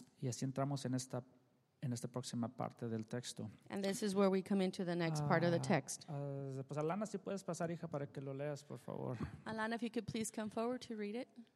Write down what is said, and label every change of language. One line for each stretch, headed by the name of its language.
Spanish: Y así entramos en esta próxima parte del texto.
English: And this is where we come into the next part of the text.
Spanish: Pues Alana, si puedes pasar, hija, para que lo leas, por favor.
English: Alana, if you could please come forward to read it.